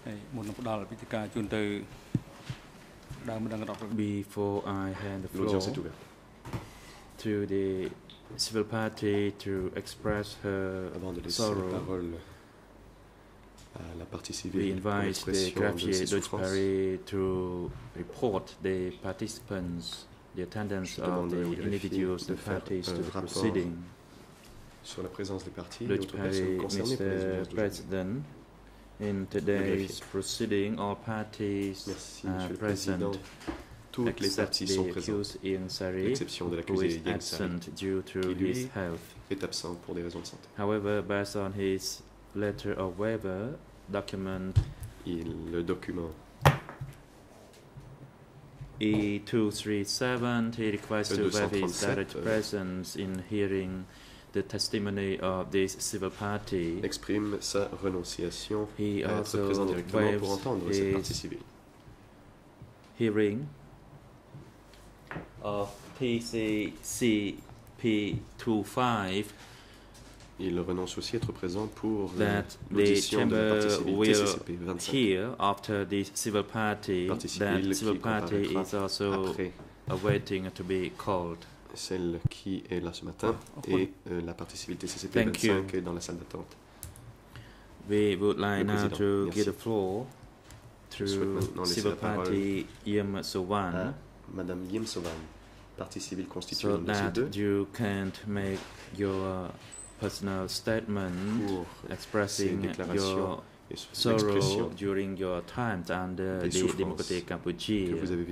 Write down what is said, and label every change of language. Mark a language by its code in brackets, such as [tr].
[en] Before I hand the floor to the civil party to express her sorrow, we invite the greffier Deutsch Perry to report the participants, the attendance of the individuals, the parties to the proceeding. [fr] Sur la présence des parties et autres personnes concernées par les audiences d'aujourd'hui. [en] In today's proceeding, all parties present, [fr] toutes les parties sont présentes, l'exception de l'accusé Yann Sari, qui lui est absent pour des raisons de santé. [en] However, based on his letter of waiver document, [fr] le document [en] E237, he requests to waive his direct presence in hearing the testimony of this civil party. [fr] Exprime sa renonciation à être présent directement pour entendre cette partie civile. [en] Hearing of PCCP25. [fr] Il renonce aussi être présent pour l'audition de la partie civile TCCP25. [en] Here after this civil party, that civil party is also awaiting to be called. [fr] Celle qui est là ce matin et la partie civile TCCP25 dans la salle d'attente. [en] We would like now to give the floor to civil party Yim Sovan. [fr] Madame Yim Sovan, partie civile constituante de CI2. [en] So that you can't make your personal statement expressing your sorrow during your time under the Democratic Cambodia.